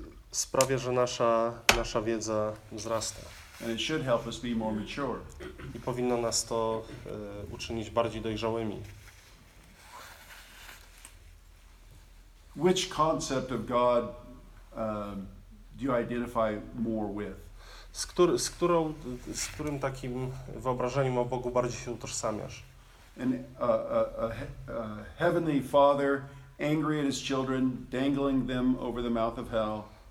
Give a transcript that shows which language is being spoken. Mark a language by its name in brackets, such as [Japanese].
[Polish] Sprawia, że nasza wiedza wzrasta. [English] And it should help us be more mature. [Polish] I powinno nas to uczynić bardziej dojrzałymi. [English] Which concept of God do you identify more with? [Polish] Z którym takim wyobrażeniem o Bogu bardziej się utożsamiasz? [English] And a heavenly father angry at his children, dangling them over the mouth of hell.